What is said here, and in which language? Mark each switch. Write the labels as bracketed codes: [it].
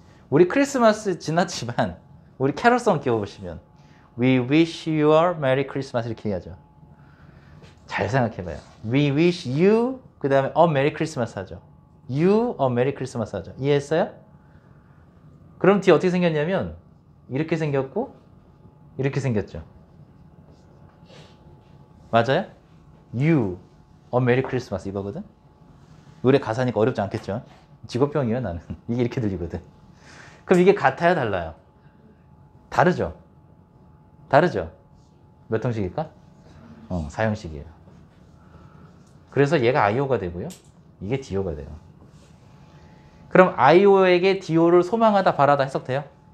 [ko] 우리 크리스마스 지났지만, 우리 캐럴송 기억해 보시면, [en] we wish you a merry Christmas [ko] 이렇게 해야죠. 잘 생각해 봐요. [en] we wish you [ko] 그 다음에 어 메리 크리스마스 하죠. [en] You a Merry Christmas [ko] 하죠. 이해했어요? 그럼 뒤에 어떻게 생겼냐면 이렇게 생겼고 이렇게 생겼죠. 맞아요? [en] You a Merry Christmas [ko] 이거거든. 노래 가사니까 어렵지 않겠죠. 직업병이에요 나는. 이게 이렇게 들리거든. 그럼 이게 같아요 달라요? 다르죠? 다르죠? 몇 형식일까? 4형식이에요. 그래서 얘가 IO가 되고요. 이게 DO가 돼요. 그럼 IO에게 DO를 소망하다 바라다 해석돼요?